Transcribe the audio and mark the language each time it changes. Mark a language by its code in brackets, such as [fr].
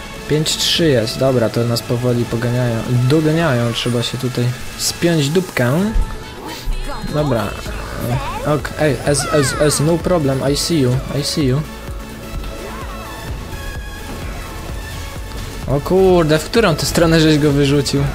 [pl] 5-3 jest, dobra, to nas powoli poganiają. Doganiają, trzeba się tutaj spiąć dupkę. Dobra. [en] Ok, ej, S, no problem, I see you. [pl] O kurde, w którą tę stronę żeś go wyrzucił?